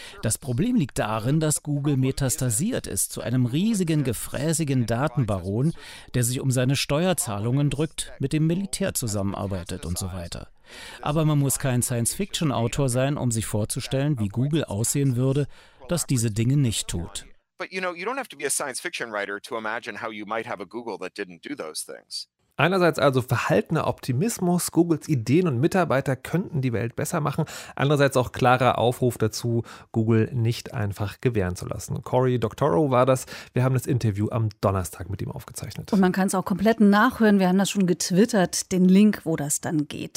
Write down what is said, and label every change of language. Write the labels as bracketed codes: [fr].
[de] Das Problem liegt darin, dass Google metastasiert ist zu einem riesigen, gefräßigen Datenbaron, der sich um seine Steuerzahlungen drückt, mit dem Militär zusammenarbeitet und so weiter. Aber man muss kein Science-Fiction-Autor sein, um sich vorzustellen, wie Google aussehen würde, das diese Dinge nicht tut. [en] But you know, you don't have to be a science fiction writer to imagine how you might have a Google that didn't do those things. [de] Einerseits also verhaltener Optimismus, Googles Ideen und Mitarbeiter könnten die Welt besser machen. Andererseits auch klarer Aufruf dazu, Google nicht einfach gewähren zu lassen. Cory Doctorow war das. Wir haben das Interview am Donnerstag mit ihm aufgezeichnet. Und man kann es auch komplett nachhören. Wir haben das schon getwittert, den Link, wo das dann geht.